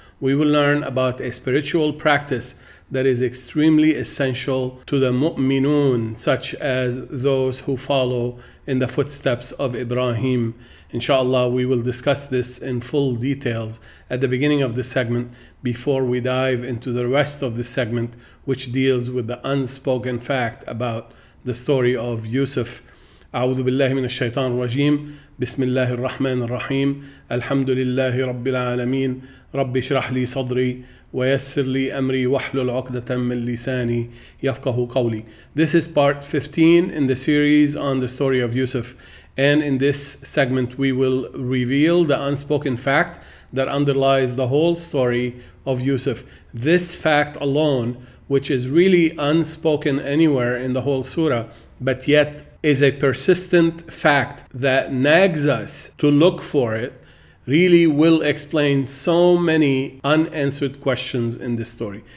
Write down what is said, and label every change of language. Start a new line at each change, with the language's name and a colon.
English: We will learn about a spiritual practice that is extremely essential to the mu'minun, such as those who follow in the footsteps of Ibrahim. Inshallah, we will discuss this in full details at the beginning of the segment before we dive into the rest of the segment, which deals with the unspoken fact about the story of Yusuf.
Arabic: أعوذ بالله من الشيطان الرجيم بسم الله الرحمن الرحيم الحمد لله رب العالمين رب اشرح لي صدري ويسر لي أمري واحلل عقدة من لساني يفقه قولي.
English: This is part 15 in the series on the story of Yusuf, and in this segment we will reveal the unspoken fact that underlies the whole story of Yusuf. This fact alone, which is really unspoken anywhere in the whole surah, but yet is a persistent fact that nags us to look for it, really will explain so many unanswered questions in this story.